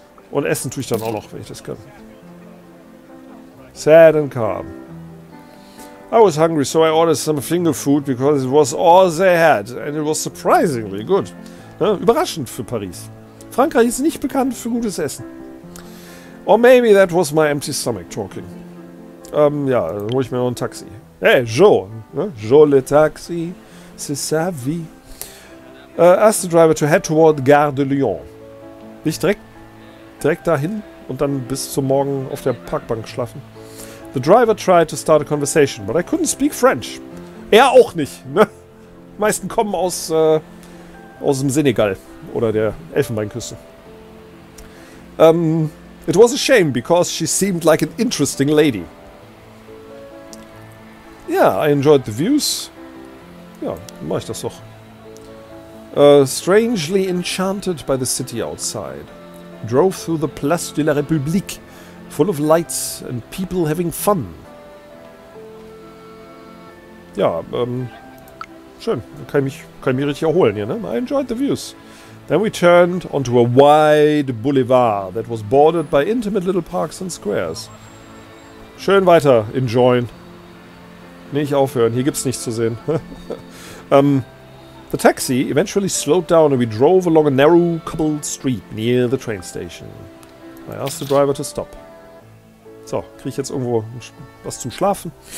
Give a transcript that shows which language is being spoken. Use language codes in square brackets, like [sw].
[de] Und essen tue ich dann auch noch, wenn ich das kann. [en] Sad and calm. I was hungry, so I ordered some finger food because it was all they had. And it was surprisingly good. Ne? [de] Überraschend für Paris. Frankreich ist nicht bekannt für gutes Essen. [en] Or maybe that was my empty stomach talking. [de] Ja, dann hole ich mir noch ein Taxi. [en] Hey, Joe. [fr] Ne? Joe le taxi. C'est sa vie. [en] Asked the driver to head toward Gare de Lyon. [de] Nicht direkt dahin und dann bis zum Morgen auf der Parkbank schlafen. [en] The driver tried to start a conversation, but I couldn't speak French. [de] Er auch nicht, ne? Die meisten kommen aus dem Senegal oder der Elfenbeinküste. [en] It was a shame, because she seemed like an interesting lady. Yeah, I enjoyed the views. [de] Ja, dann mach ich das doch. [en] Strangely enchanted by the city outside, drove through the Place de la République, full of lights and people having fun. [de] Ja, schön. Kann ich mich richtig erholen hier, ne? [en] I enjoyed the views. Then we turned onto a wide boulevard that was bordered by intimate little parks and squares. [de] Schön weiter enjoyen. Nicht aufhören, hier gibt's nichts zu sehen. [en] The taxi eventually slowed down and we drove along a narrow cobbled street near the train station. I asked the driver to stop. [de] So, kriege ich jetzt irgendwo was zum Schlafen?